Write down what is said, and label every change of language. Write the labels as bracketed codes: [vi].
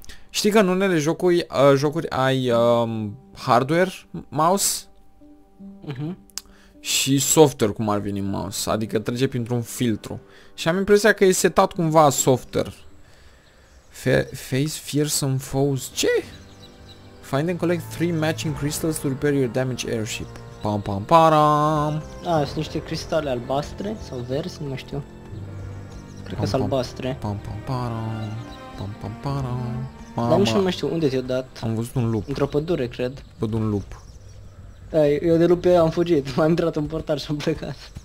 [ro] Știi că în unele jocuri ai hardware mouse și software cum ar veni mouse, adică trece printr-un filtru. Și am impresia că e setat cumva software. [en] Face fearsome foes. [ro] Ce? [en] Find and collect 3 matching crystals to repair your damaged airship. Pam pam pam. [ro] Sunt niște cristale albastre sau verzi, nu mai știu. cred că sunt albastre. Pam pam pam pam pam pam. Dar nu știu, mai știu unde ți-o dat. Am văzut un lup. Într-o pădure, cred. Văd un lup. Da, eu de lup pe aia am fugit, m-am intrat în portar și am plecat.